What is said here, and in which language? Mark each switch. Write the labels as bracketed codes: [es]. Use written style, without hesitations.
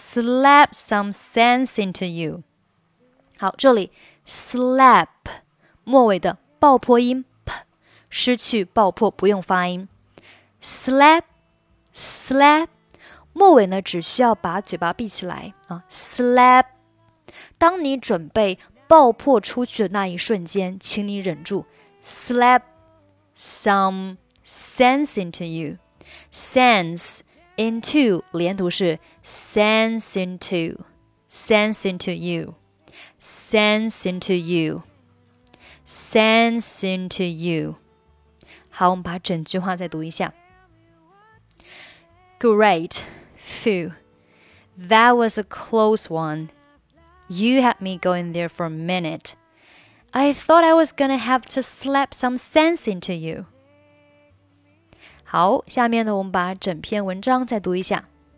[en] I thought I was gonna have to slap some sense into you. [zh] 好，这里 slap 末尾的爆破音 p 失去爆破不用发音。 slap 末尾呢只需要把嘴巴闭起来啊。 slap 当你准备爆破出去的那一瞬间，请你忍住。 [en] slap some sense into you. Sense. Into, [zh] 连读是 [en] sense into you. [zh] 好，我们把整句话再读一下。 [en] Great, phew, that was a close one. You had me going there for a minute. I thought I was gonna have to slap some sense into you. [zh] 好，下面呢，我们把整篇文章再读一下。